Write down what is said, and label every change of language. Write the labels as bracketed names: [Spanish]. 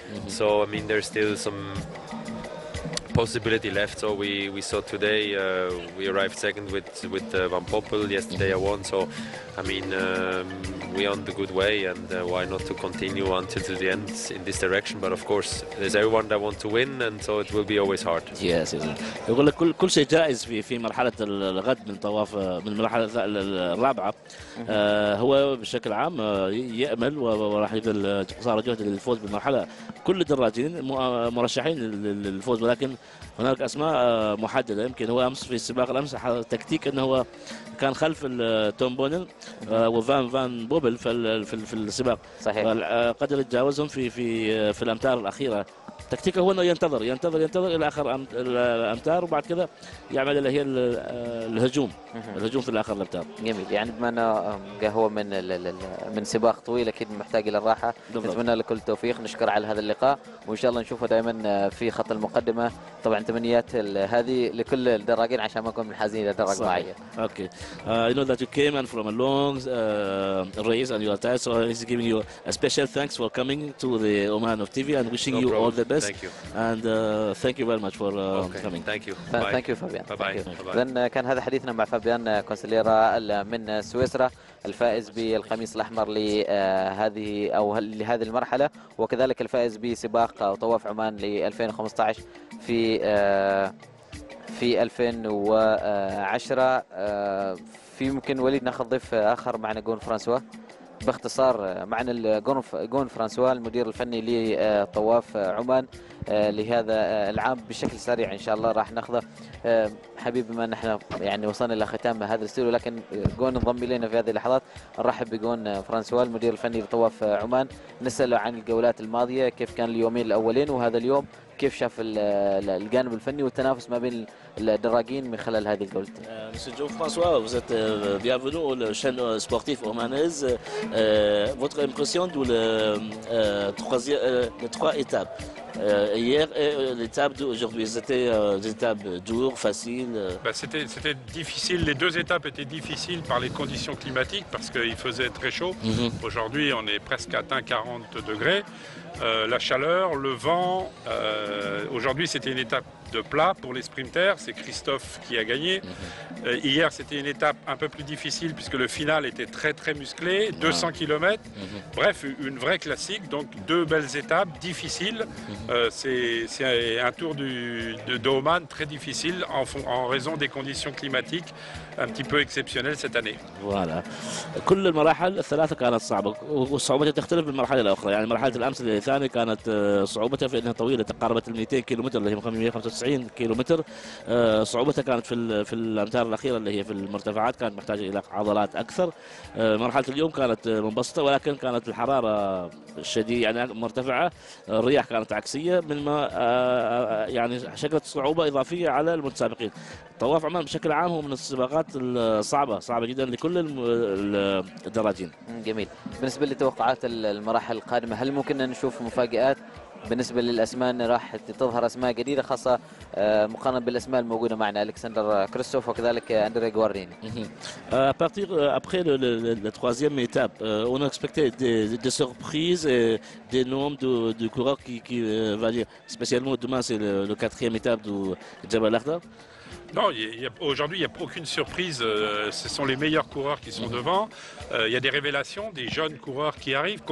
[English] So, I mean, there's still some possibility left. So we saw today, we arrived second with Van Poppel. Yesterday I won, so I mean, we're on the good way, and why not to continue until to the end in this direction? But of course, there's everyone that want to win, and so it will be always hard. Yes, exactly. [Arabic] يقول لك كل شيء جائز في مرحلة الغد من طواف من مرحلة الرابعة. هو بشكل عام يأمل وراح يبذل قصارى جهد للفوز بالمرحلة. كل الدراجين مرشحين للفوز, ولكن هناك أسماء محددة. يمكن هو أمس في السباق الأمس تكتيك أنه هو كان خلف توم بونن وفان فان بوبل في السباق, صحيح. قدر يتجاوزهم في الأمتار الأخيرة. تكتيكه هو أنه ينتظر ينتظر ينتظر إلى آخر الأمتار, وبعد كذا يعمل اللي هي الهجوم الهجوم في الآخر الأمتار. جميل. يعني بما أنه قهوة من سباق طويل أكيد محتاج إلى الراحة. نتمنى لكل التوفيق, نشكر على هذا اللقاء, وإن شاء الله نشوفه دائما في خط المقدمة. طبعا تمنيات هذه لكل الدراجين عشان ما نكون من حازين إلى دراج معين. أوكي. [English] I know that you came and from a long race and you are tired, so he's giving you a special thanks for coming to the Oman of TV and wishing no you problem. All the best. Thank you. And thank you very much for coming. Thank you. Thank you, Fabian. Bye-bye. [Arabic] إذن كان هذا حديثنا مع فابيان كونسليرا من سويسرا, الفائز بالقميص الأحمر لهذه أو لهذه المرحلة, وكذلك الفائز بسباق طواف عمان ل 2015 في 2010. في ممكن وليد ناخذ ضيف اخر معنا, جون فرانسوا. باختصار معنا جون فرانسوا المدير الفني لطواف عمان لهذا العام. بشكل سريع ان شاء الله راح ناخذه حبيب, بما ان احنا يعني وصلنا الى ختام هذا الاستوديو, لكن جون انضم الينا في هذه اللحظات. نرحب بجون فرانسوا المدير الفني لطواف عمان, نساله عن الجولات الماضيه, كيف كان اليومين الاولين وهذا اليوم, كيف شاف الجانب الفني والتنافس ما بين الدراجين من خلال هذه الجولات؟ [French] Monsieur Jean François, vous êtes bienvenu au chaîne sportive omanaise. Votre impression de les trois étapes hier et l'étape d'aujourd'hui, c'était des étapes dures, faciles? C'était difficile. Les deux étapes étaient difficiles par les conditions climatiques parce qu'il faisait très chaud. Aujourd'hui, on est presque atteint 40 degrés. La chaleur, le vent, aujourd'hui c'était une étape de plat pour les sprinters, c'est Christophe qui a gagné. Hier c'était une étape un peu plus difficile puisque le final était très très musclé, 200 km. Bref, une vraie classique, donc deux belles étapes, difficiles. C'est un tour de Oman très difficile en raison des conditions climatiques un petit peu exceptionnel cette année. Voilà. [Arabic] كل المراحل الثلاثه كانت صعبه, وصعوبتها تختلف من مرحله لاخرى. يعني مرحله الامس الثانيه كانت صعوبتها في انها طويله, تقاربت ال 200 كيلومتر اللي هي 595 كيلومتر. صعوبتها كانت في الامتار الاخيره اللي هي في المرتفعات, كانت محتاجه الى عضلات اكثر. مرحله اليوم كانت منبسطه, ولكن كانت الحراره شديده, يعني مرتفعه, الرياح كانت عكسيه, مما يعني شكلت صعوبه اضافيه على المتسابقين. طواف عمان بشكل عام هو من السباقات الصعبة, صعبة جدا لكل الدراجين. جميل. بالنسبة لتوقعات المراحل القادمة, هل ممكن نشوف مفاجآت بالنسبة للأسماء؟ راح تظهر أسماء جديدة خاصة مقارنة بالأسماء الموجودة معنا, ألكسندر كريستوف وكذلك أندري غوارديني. [French] À partir après la troisième étape, on expectait des surprises et des noms de coureurs qui va dire, spécialement demain c'est la quatrième étape du Jabal Akhdar. Non, aujourd'hui, il n'y a aucune surprise. Ce sont les meilleurs coureurs qui sont devant. Il y a des révélations, des jeunes coureurs qui arrivent.